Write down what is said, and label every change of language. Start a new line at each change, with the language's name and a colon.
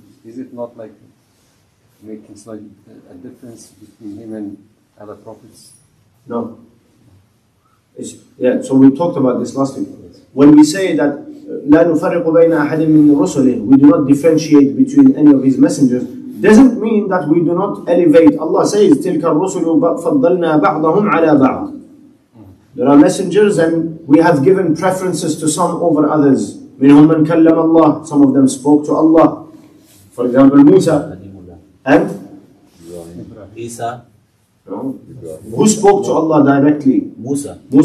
English: is it not like making slight a difference between him and other prophets? No. So we talked about this last week. When we say that
Arabic: لا نفرق بين أحد من رسله,
English: we do not differentiate between any of his messengers, doesn't mean that we do not elevate. Allah says
Arabic: تلك الرسل فضلنا بعضهم على بعض.
English: There are messengers and we have given preferences to some over others.
Arabic: منهم من كلم الله,
English: some of them spoke to Allah. For example, Musa and Isa. No. Who spoke to Allah directly? Musa